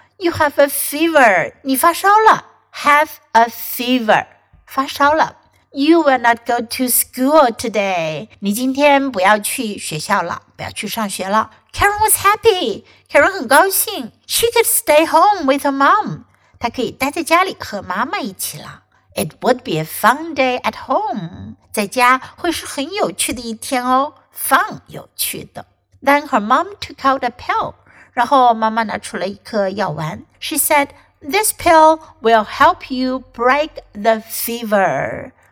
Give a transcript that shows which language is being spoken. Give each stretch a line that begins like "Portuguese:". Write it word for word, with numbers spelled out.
English: You have a fever.
Chinese: 你发烧了。
English: Have a fever.
Chinese: 发烧了。
English: You will not go to school today.
Chinese: 你今天不要去学校了，不要去上学了。
English: Karen was happy. Karen
Chinese: 很高兴。
English: She could stay home with her mom.
Chinese: 她可以待在家里和妈妈一起了。
English: It would be a fun day at home.
Chinese: 在家会是很有趣的一天哦。
English: Fun
Chinese: 有趣的。
English: Then her mom took out a pill.
Chinese: 然后妈妈拿出了一颗药丸。
English: She said, "This pill will help you break the fever."